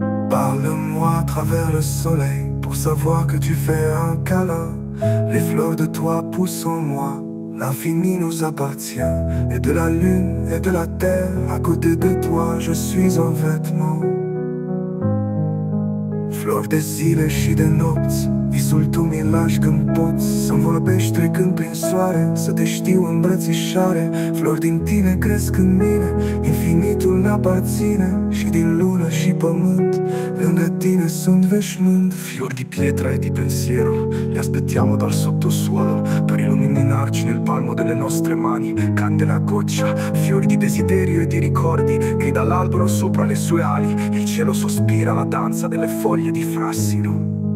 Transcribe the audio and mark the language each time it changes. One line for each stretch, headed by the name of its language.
French: Parle-moi à travers le soleil pour savoir que tu fais un câlin. Les fleurs de toi poussent en moi, l'infini nous appartient, et de la lune et de la terre, à côté de toi, je suis un vêtement.
Romanian: Flori de zile și de nopți, visul tu mi-l lași când poți. Să-mi vorbești trecând prin soare, să te știu îmbrățișare. Flori din tine cresc în mine, infinitul n-aparține. Și din lună și pământ, lângă tine sunt veșmânt.
Italian: Fiori di pietra e di pensiero, le aspettiamo dal sottosuolo. Per illuminarci nel palmo delle nostre mani, candela goccia. Fiori di desiderio e di ricordi, grida l'albero sopra le sue ali. Il cielo sospira la danza delle foglie di frassino.